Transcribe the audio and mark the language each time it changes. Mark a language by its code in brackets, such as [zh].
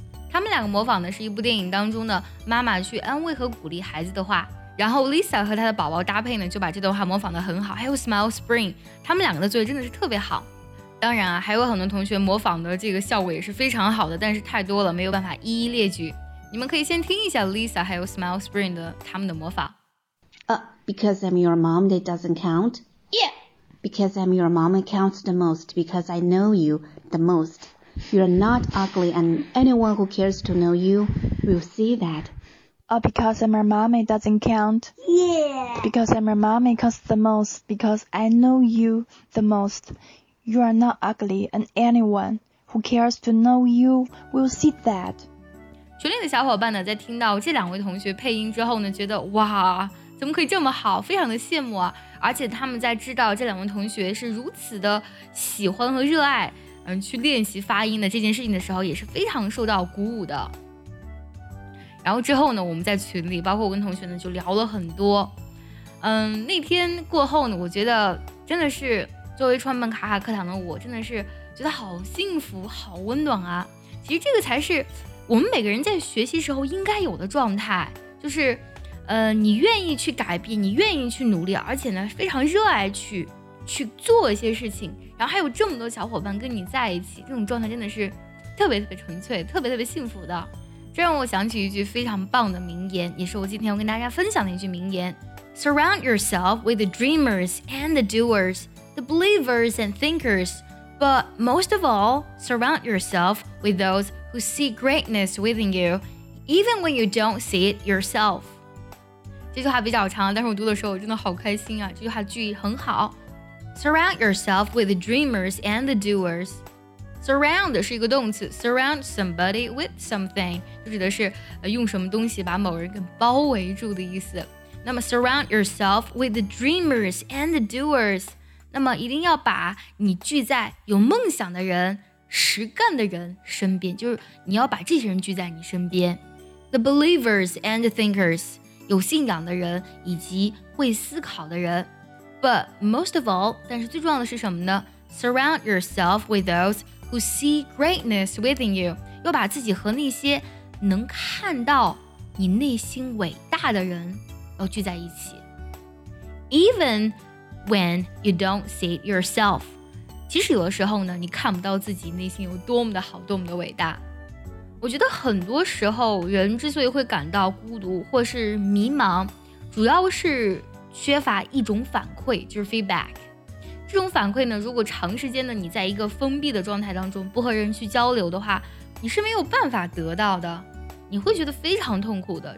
[zh] 他们两个模仿的是一部电影当中的妈妈去安慰和鼓励孩子的话，然后 Lisa 和她的宝宝搭配呢，就把这段话模仿得很好。还有 Smile Spring， 他们两个的作业真的是特别好。当然啊，还有很多同学模仿的这个效果也是非常好的，但是太多了，没有办法一一列举。你们可以先听一下 Lisa 还有 Smile Spring 的他们的模仿。 [en] Because I'm your mom, that doesn't count. Yeah. Because I'm your mom, it counts the most. Because I know you the most. You're not ugly, and anyone who cares to know you will see that. Because I'm your mom, it doesn't count. Yeah. Because I'm your mom, it counts the most. Because I know you the most. You are not ugly, and anyone who cares to know you will see that. [zh] 群里的小伙伴呢，在听到这两位同学配音之后呢，觉得哇，怎么可以这么好，非常的羡慕啊！而且他们在知道这两位同学是如此的喜欢和热爱，去练习发音的这件事情的时候，也是非常受到鼓舞的。然后之后呢，我们在群里，包括我跟同学呢，就聊了很多。那天过后呢，我觉得真的是。作为创办卡卡课堂的我，真的是觉得好幸福好温暖啊。其实这个才是我们每个人在学习时候应该有的状态，就是你愿意去改变，你愿意去努力，而且呢非常热爱去做一些事情，然后还有这么多小伙伴跟你在一起，这种状态真的是特别特别纯粹，特别特别幸福的。这让我想起一句非常棒的名言，也是我今天要跟大家分享的一句名言。 [en] Surround yourself with the dreamers and the doersThe believers and thinkers, but most of all, surround yourself with those who see greatness within you, even when you don't see it yourself. [zh] 这句话比较长，但是我读的时候我真的好开心啊！这句话句意很好。 [en] Surround yourself with the dreamers and the doers. [zh] Surround 是一个动词 ， [en] surround somebody with something [zh] 就指的是用什么东西把某人给包围住的意思。 [en] 那么 surround yourself with the dreamers and the doers. [zh] 那么一定要把你聚在有梦想的人、实干的人身边，就是你要把这些人聚在你身边。 [en] The believers and the thinkers, [zh] 有信仰的人以及会思考的人。 [en] But most of all, [zh] 但是最重要的是什么呢？ [en] Surround yourself with those who see greatness within you, [zh] 要把自己和那些能看到你内心伟大的人要聚在一起。 [en] EvenWhen you don't see it yourself. [zh] 其实有的时候呢，你看不到自己内心有多么的好，多么的伟大。我觉得很多时候人之所以会感到孤独或是迷茫，主要是缺乏一种反馈，就是 feedback。这种反馈呢，如果长时间的你在一个封闭的状态当中不和人去交流的话，你是没有办法得到的，你会觉得非常痛苦的。